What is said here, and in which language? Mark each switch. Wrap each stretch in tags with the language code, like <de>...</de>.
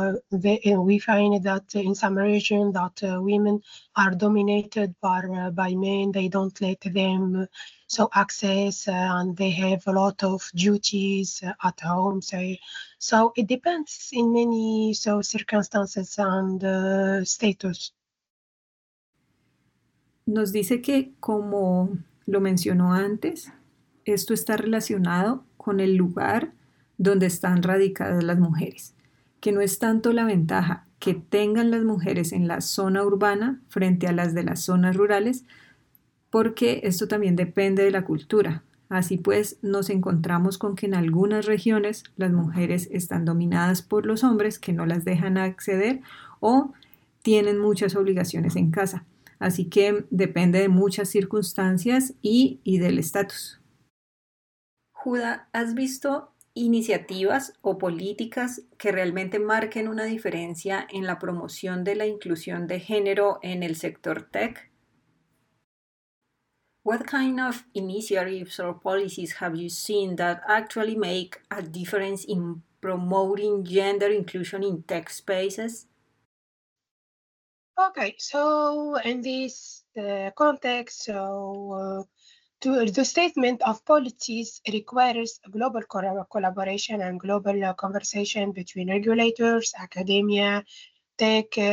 <en>We find that in some regions that women are dominated by men. They don't let them so access, and they have a lot of duties at home. So it depends in many circumstances and status.</en> <es>Nos dice que, como lo mencionó antes, esto está relacionado con el lugar donde están radicadas las mujeres, que no es tanto la ventaja que tengan las mujeres en la zona urbana frente a las de las zonas rurales, porque esto también depende de la cultura. Así pues, nos encontramos con que en algunas regiones las mujeres están dominadas por los hombres que no las dejan acceder o tienen muchas obligaciones en casa. Así que depende de muchas circunstancias y del estatus. Judá, ¿has visto iniciativas o políticas que realmente marquen una diferencia en la promoción de la inclusión de género en el sector tech?</es> <en>What kind of initiatives or policies have you seen that actually make a difference in promoting gender inclusion in tech spaces? Okay, so in this context, the statement of policies requires global collaboration and global conversation between regulators, academia, tech</en>